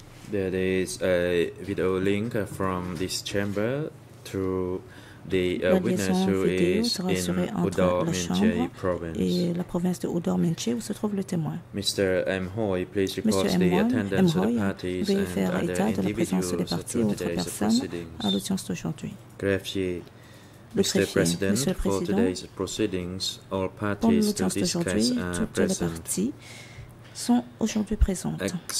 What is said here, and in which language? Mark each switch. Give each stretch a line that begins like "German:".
English: There is a video link from this chamber to the witness who is in Udomintje province.
French: Et la province de Udomintje, où se trouve le témoin.
English: Mr. M. Hoy, please record the attendance of the parties and other individuals to today's proceedings. Greffier, Mr. President, for today's proceedings, all parties to this case are present.
French: Sont aujourd'hui présentes.